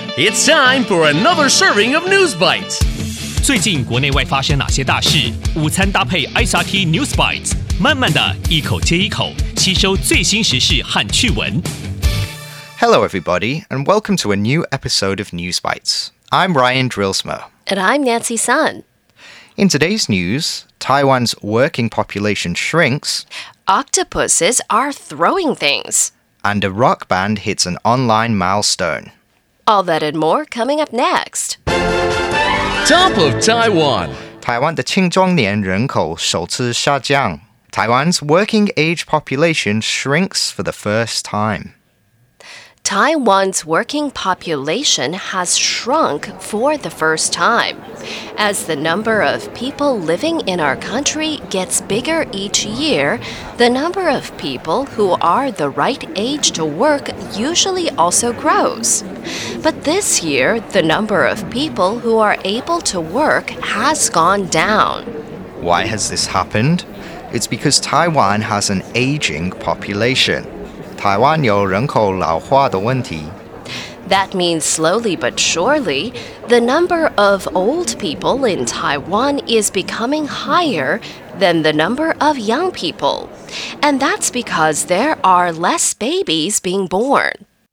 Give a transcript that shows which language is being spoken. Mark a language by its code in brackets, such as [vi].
[en] It's time for another serving of News Bites. [zh] 最近国内外发生哪些大事？午餐搭配 SRT News Bites， 慢慢的一口接一口，吸收最新时事和趣闻。 [en] Hello, everybody, and welcome to a new episode of News Bites. I'm Ryan Drillsmer. And I'm Nancy Sun. In today's news, Taiwan's working population shrinks. Octopuses are throwing things. And a rock band hits an online milestone. All that and more coming up next. Top of Taiwan. [zh] 台湾的青壮年人口首次下降。 [en] Taiwan's working age population shrinks for the first time. Taiwan's working population has shrunk for the first time, as the number of people living in our country gets bigger each year. The number of people who are the right age to work usually also grows. But this year, the number of people who are able to work has gone down. Why has this happened? It's because Taiwan has an aging population. [zh] 台湾有人口老化的问题。 [en] That means slowly but surely, the number of old people in Taiwan is becoming higher than the number of young people. And that's because there are less babies being born.